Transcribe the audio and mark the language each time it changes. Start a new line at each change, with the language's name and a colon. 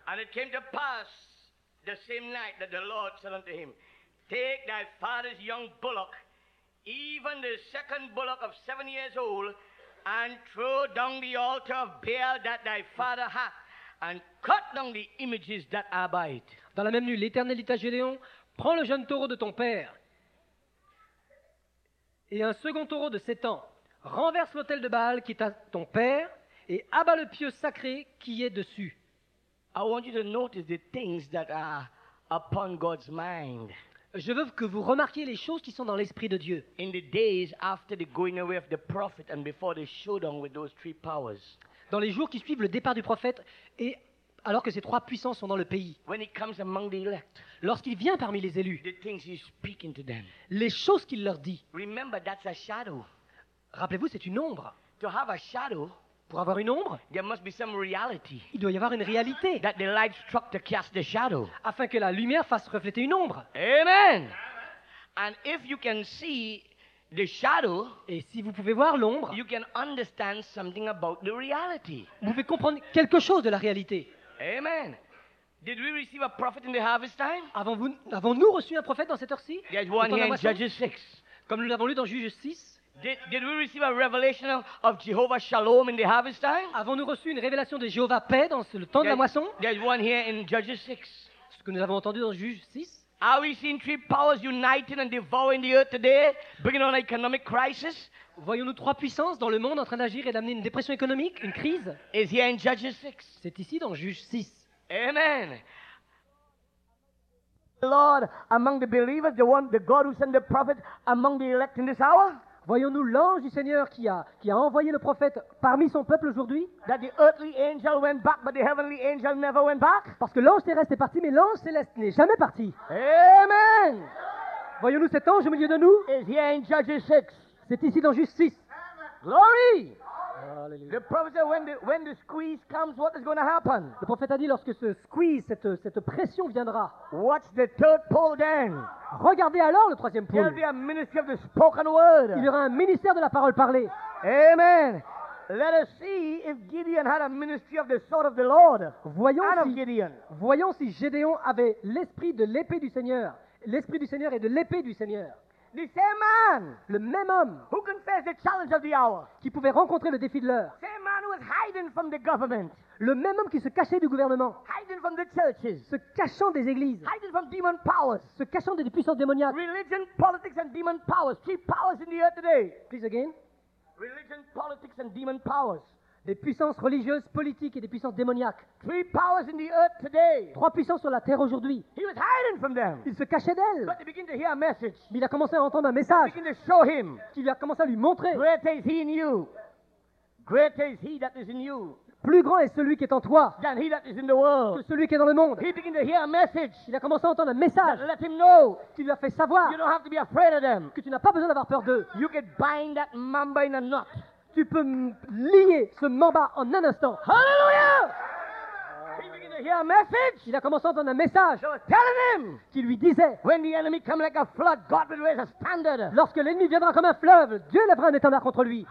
English: And it came to pass the same night that the Lord said unto him, take thy father's young bullock, even the second bullock of 7 years old, and throw down the altar of Baal that thy father hath, and cut down the images that are by it.
French: Dans la même nuit, l'Éternel dit à Gédéon, prends le jeune taureau de ton père. Et un second taureau de 7 ans, renverse l'autel de Baal qui est à ton père et abat le pieu sacré qui est dessus.
English: I want you to notice the things that are upon God's mind.
French: Je veux que vous remarquiez les choses qui sont dans l'esprit de Dieu.
English: In the days after the going away of the prophet and before the showdown with those three powers.
French: Dans les jours qui suivent le départ du prophète et alors que ces trois puissances sont dans le pays.
English: When he comes among the elect,
French: lorsqu'il vient parmi les élus.
English: The things he's speaking to them,
French: les choses qu'il leur dit.
English: Remember, that's a shadow.
French: Rappelez-vous, c'est une ombre.
English: To have a shadow,
French: pour avoir une ombre,
English: there must be some reality,
French: il doit y avoir une réalité.
English: That the light struck to cast the shadow,
French: afin que la lumière fasse refléter une ombre.
English: Amen. And if you can see the shadow,
French: et si vous pouvez voir l'ombre,
English: you can understand something about the reality.
French: Vous pouvez comprendre quelque chose de la réalité.
English: Amen. Did we receive a prophet in the harvest time?
French: Avons-nous reçu un prophète dans cette heure-ci?
English: There's one here in Judges 6.
French: Comme nous l'avons lu dans Juges 6.
English: Did we receive a revelation of Jehovah Shalom in the harvest time?
French: Avons-nous reçu une révélation de Jéhovah paix dans le temps de la moisson?
English: There's one here in Judges 6.
French: Ce que nous avons entendu dans Juges 6.
English: Are we seeing three powers uniting and devouring the earth today, bringing on an economic crisis?
French: Voyons-nous trois puissances dans le monde en train d'agir et d'amener une dépression économique, une crise?
English: Is here in Judges 6.
French: C'est ici dans Juges 6.
English: Amen. Lord, among the believers, the one, the God who sent the prophet among the elect in this hour?
French: Voyons-nous l'ange du Seigneur qui a envoyé le prophète parmi son peuple aujourd'hui?
English: That the earthly angel went back, but the heavenly angel never went back?
French: Parce que l'ange terrestre est parti, mais l'ange céleste n'est jamais parti.
English: Amen.
French: Voyons-nous cet ange au milieu de nous?
English: Is here in Judges 6.
French: C'est ici dans Juges 6.
English: Glory! Hallelujah. The prophet said, when the squeeze comes, what is going to happen?
French: Le prophète a dit lorsque ce squeeze, cette pression viendra.
English: Watch the third pole then.
French: Regardez alors le troisième pôle.
English: There'll be a ministry of the spoken word.
French: Il y aura un ministère de la parole parlée.
English: Amen. Let us see if Gideon had a ministry of the sword of the Lord.
French: Voyons
English: and
French: si
English: of Gideon.
French: Voyons si Gédéon avait l'esprit de l'épée du Seigneur. L'esprit du Seigneur et de l'épée du Seigneur.
English: The same man,
French: le même homme,
English: who can face the challenge of the hour,
French: qui pouvait rencontrer le défi de l'heure.
English: Same man who was hiding from the government,
French: le même homme qui se cachait du gouvernement.
English: Hiding from the churches,
French: se cachant des églises.
English: Hiding from demon powers,
French: se cachant des puissances démoniaques.
English: Religion, politics, and demon powers, three powers in the earth today. Please again. Religion, politics, and demon powers.
French: Des puissances religieuses, politiques et des puissances démoniaques.
English: Three powers in the earth today.
French: Trois puissances sur la terre aujourd'hui.
English: He was hiding from them.
French: Il se cachait d'elles.
English: But they begin to hear a message.
French: Mais il a commencé à entendre un message.
English: They begin to show him.
French: Qu'il a commencé à lui montrer.
English: Greater is he in you. Greater is he that is in you.
French: Plus grand est celui qui est en toi
English: than he that is in the world.
French: Que celui qui est dans le monde.
English: He begin to hear a message.
French: Il a commencé à entendre un message.
English: Let him know.
French: Qui lui a fait savoir.
English: You don't have to be afraid of them.
French: Que tu n'as pas besoin d'avoir peur d'eux.
English: You can bind that mamba in a knot.
French: Tu peux lier ce mamba en un instant.
English: Hallelujah! He began to hear a message.
French: Il a commencé à entendre un message.
English: So telling him,
French: qui lui disait,
English: when the enemy comes like a flood, God will raise a standard.
French: Lorsque l'ennemi viendra comme un fleuve, Dieu lèvera un étendard contre lui.